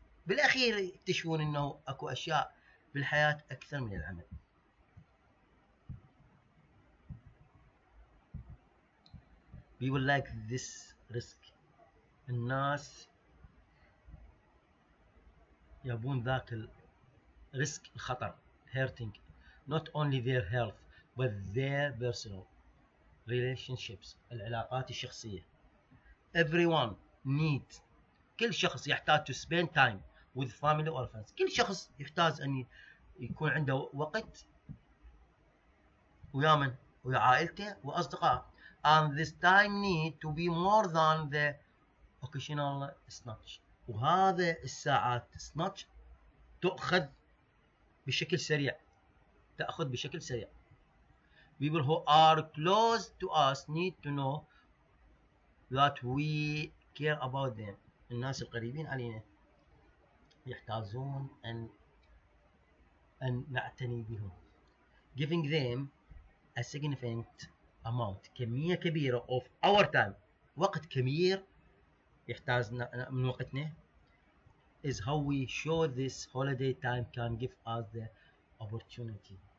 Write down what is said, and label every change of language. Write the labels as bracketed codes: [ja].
[ar] بالأخير تشوفون إنه أكو أشياء بالحياة أكثر من العمل. [en] People like this risk. [ar] الناس يبون ذاك الريسك الخطر. [en] Hurting not only their health but their personal relationships. [ar] العلاقات الشخصية. [en] Everyone needs. [ar] كل شخص يحتاج [en] to spend time with family or friends. [ar] كل شخص يحتاج أن يكون عنده وقت ويا من ويا عائلته وأصدقاء. [en] And this time need to be more than the occasional snatch. [ar] وهذا الساعات snatch تأخذ بشكل سريع. تأخذ بشكل سريع. [en] People who are close to us need to know that we care about them. [ar] الناس القريبين علينا يحتاجون أن نعتني بهم. [en] giving them a significant amount [ar] كمية كبيرة [en] of our time [ar] وقت كبير يحتاجنا من وقتنا [en] is how we show this holiday time can give us the opportunity.